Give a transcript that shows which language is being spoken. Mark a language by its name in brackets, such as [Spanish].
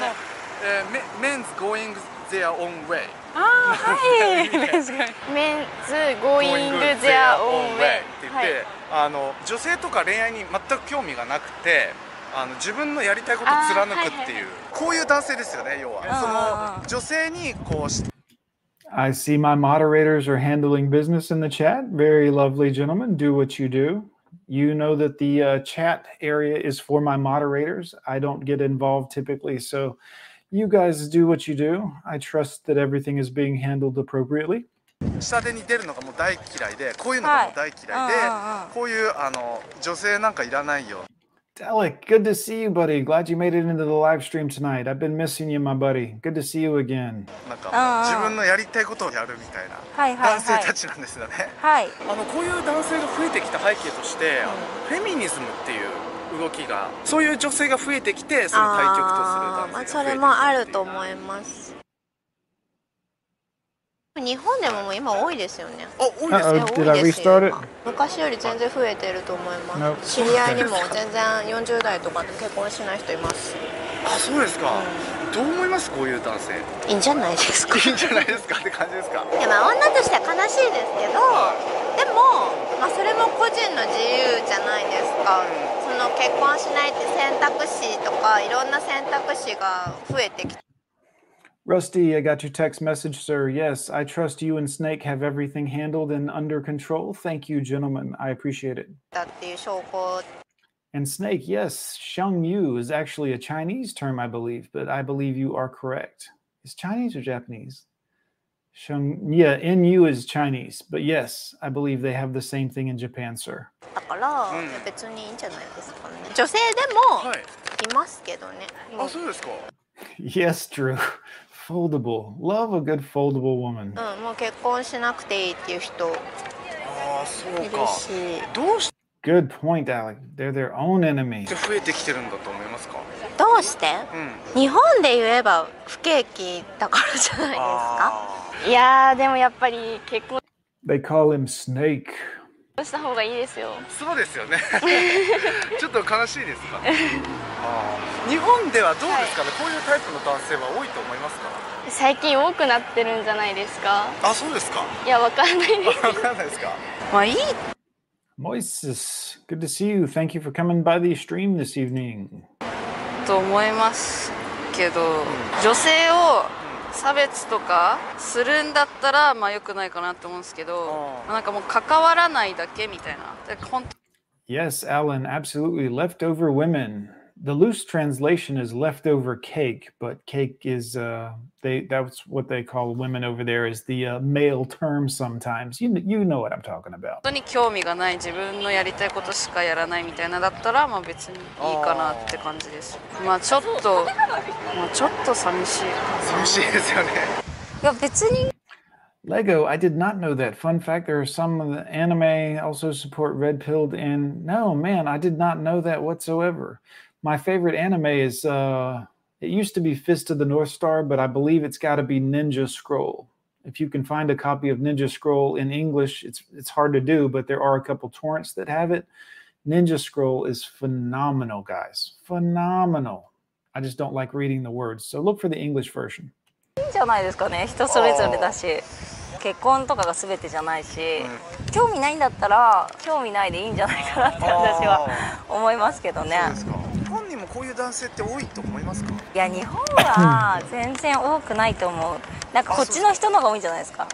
[Japanese] これあの見たことあります?ない。ないですか?ないです。見覚えないですか?ないです。見覚えないですか?全く。いや、聞いたことない。ないですか?見たことありますか?ないです。これ知らないですか?わかんないです。なんだろう?ないです。あ、ないですか?これあの、 [English] men's going their own way. [Japanese] メンズゴーイングゼアオンウェイって言って、はい、あの女性とか恋愛に全く興味がなくて、あの自分のやりたいことを貫くっていう、はいはい、こういう男性ですよね、要は。その女性にこうして。 [English] I see my moderators are handling business in the chat. Very lovely gentlemen, do what you do. You know that the chat area is for my moderators. I don't get involved typically, so you guys do what you do. I trust that everything is being handled appropriately. [Japanese] 下手に出るのがもう大嫌いで、こういうのがもう大嫌いで、こういうあの女性なんかいらないよ。 [English] Dalek, good to see you, buddy. Glad you made it into the live stream tonight. I've been missing you, my buddy. Good to see you again. [Japanese] なんか自分のやりたいことをやるみたいな男性たちなんですよね。はい。あのこういう男性が増えてきた背景として、フェミニズムっていう動きが、そういう女性が増えてきて、その対極とする男性が増えてきたっていうのは、それもあると思います。日本でも今多いですよね。あ、多いですね。多いですよ。昔より全然増えてると思います。 [English] Nope. [Japanese] 知り合いにも全然40代とかで結婚しない人います。あ、そうですか。うん、どう思います？こういう男性。いいんじゃないですか。いいんじゃないですかって感じですか。いや、まあ女としては悲しいですけど、でも、まあ、それも個人の自由じゃないですか。その結婚しないって選択肢とか、いろんな選択肢が増えてきて、 [English] Rusty, I got your text message, sir. Yes, I trust you and Snake have everything handled and under control. Thank you, gentlemen. I appreciate it. And Snake, yes, Xiang Yu is actually a Chinese term, I believe, but I believe you are correct. Is Chinese or Japanese? Xiang, yeah, NU is Chinese, but yes, I believe they have the same thing in Japan, sir. [Japanese] だから、別にいいんじゃないですかね。女性でもいますけどね。あ、そうですか。 [English] Yes, Drew. Foldable. Love a good foldable woman. Good point, Alec. They're their own enemy. [Japanese] どうして？日本で言えば不景気だからじゃないですか？いやー、でもやっぱり結婚。 [English] They call him Snake. [Japanese] した方がいいですよ。そうですよね。ちょっと悲しいですか。日本ではどうですかね、はい、こういうタイプの男性は多いと思いますか。最近多くなってるんじゃないですか。あ、そうですか。いや、わかんないです。わかんないですか。まあいい。 [English] Moises, good to see you. Thank you for coming by the stream this evening. [Japanese] と思いますけど、女性を差別とかするんだったら、まあ良くないかなと思うんですけど、なんかもう関わらないだけみたいな。 [English] Yes, Alan, absolutely. Leftover women. The loose translation is leftover cake, but cake is, that's what they call women over there, is the male term sometimes. You know what I'm talking about. [Japanese] 本当に興味がない、自分のやりたいことしかやらないみたいなだったら、まあ別にいいかなって感じです。まあちょっと、寂しい。寂しいですよね。いや、別に。 [English] Lego, I did not know that. Fun fact, there are some of the anime also support red-pilled and... No, man, I did not know that whatsoever. My favorite anime is, it used to be Fist of the North Star, but I believe it's got to be Ninja Scroll. If you can find a copy of Ninja Scroll in English, it's hard to do, but there are a couple torrents that have it. Ninja Scroll is phenomenal, guys. Phenomenal. I just don't like reading the words, so look for the English version. [Japanese] いいんじゃないですかね。人それぞれだし、結婚とかが全てじゃないし、興味ないんだったら、興味ないでいいんじゃないかなって私は思いますけどね。こういう男性って多いと思いますか。いや、日本は全然多くないと思う。なんかこっちの人の方が多いんじゃないですか。